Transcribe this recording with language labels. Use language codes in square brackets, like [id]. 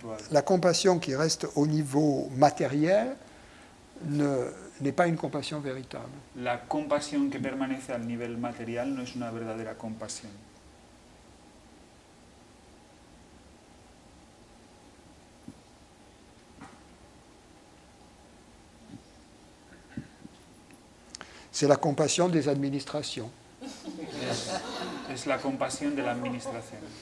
[fr] La compassion qui reste au niveau matériel n'est pas une compassion véritable. La compassion qui [es] permanece al nivel material no es una verdadera compasión. [fr] C'est la compassion des administrations. [es] Es la compasión de la administración.